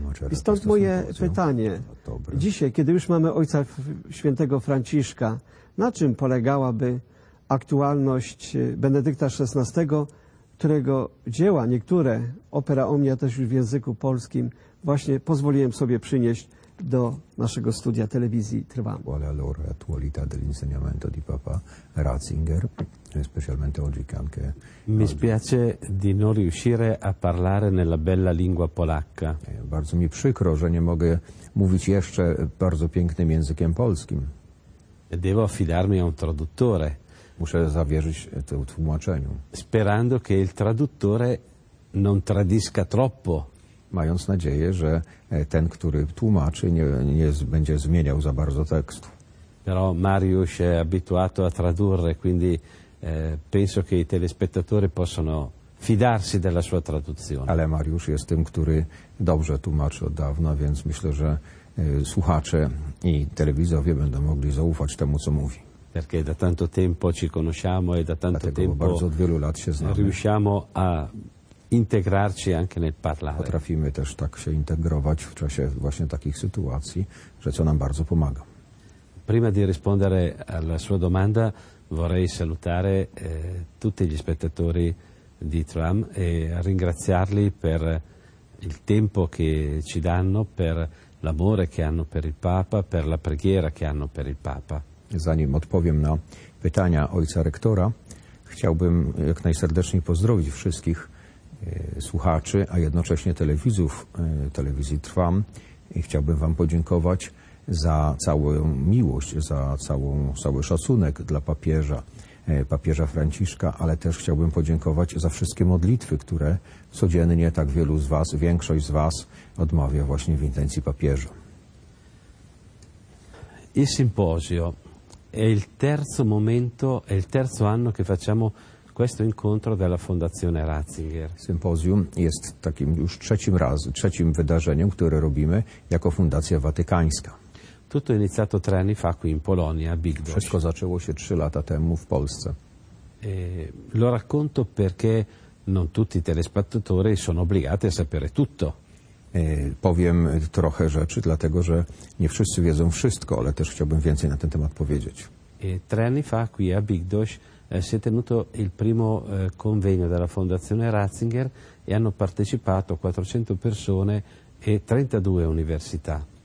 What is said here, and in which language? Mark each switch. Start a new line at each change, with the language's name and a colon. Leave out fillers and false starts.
Polish: I stąd moje pytanie. Dzisiaj, kiedy już mamy Ojca Świętego Franciszka, na czym polegałaby aktualność Benedykta XVI, którego dzieła, niektóre, opera Omnia też już w języku polskim, właśnie pozwoliłem sobie przynieść do naszego studia telewizji Trwam.
Italian: Quale allora attualità dell'insegnamento di Papa Ratzinger, specialmente oggi che anche. Mi spiace di non riuscire a parlare nella bella lingua polacca.
Polish: Bardzo mi przykro, że nie mogę mówić jeszcze bardzo pięknym językiem polskim.
Italian: Devo affidarmi a un traduttore.
Polish: Muszę zawierzyć to tłumaczeniu.
Italian: Sperando che il traduttore non tradisca troppo.
Polish: Mając nadzieję, że ten, który tłumaczy, nie będzie zmieniał za bardzo tekstu.
Italian: Però Mariusz è abituato a tradurre, quindi penso che i telespettatori possono fidarsi della sua traduzione.
Polish: Ale Mariusz jest tym, który dobrze tłumaczy od dawna, więc myślę, że słuchacze i telewizowie będą mogli zaufać temu, co mówi.
Italian: Perché da tanto tempo ci conosciamo e da tanto tempo riusciamo a integrarci anche nel parlare.
Polish: Potrafimy też tak się integrować w czasie właśnie takich sytuacji, że co nam bardzo pomaga.
Italian: Prima di rispondere alla sua domanda, vorrei salutare tutti gli spettatori di Trwam e ringraziarli per il tempo che ci danno, per l'amore che hanno per il Papa, per la preghiera che hanno per il Papa.
Polish: Zanim odpowiem na pytania ojca rektora, chciałbym jak najserdeczniej pozdrowić wszystkich słuchaczy, a jednocześnie telewizów telewizji Trwam. I chciałbym wam podziękować za całą miłość, za cały szacunek dla papieża Franciszka, ale też chciałbym podziękować za wszystkie modlitwy, które codziennie tak wielu z was, większość z was odmawia właśnie w intencji papieża.
Italian: I simpozio. È il terzo momento, è il terzo anno che facciamo questo incontro della Fondazione Ratzinger.
Polish: Symposium jest takim już trzecim wydarzeniem, które robimy jako Fundacja Watykańska.
Italian: Tutto è iniziato tre anni fa qui in Polonia, Big Dosh.
Polish: Wszystko zaczęło się trzy lata temu w Polsce.
Italian: E lo racconto perché non tutti i telespettatori sono obbligati a sapere tutto.
Polish: Powiem trochę rzeczy, dlatego że nie wszyscy wiedzą wszystko, ale też chciałbym więcej na ten temat powiedzieć.
Italian: Tre anni fa qui a Big Dosh si è tenuto il primo convegno della Fondazione Ratzinger e hanno partecipato 400 persone e 32 università.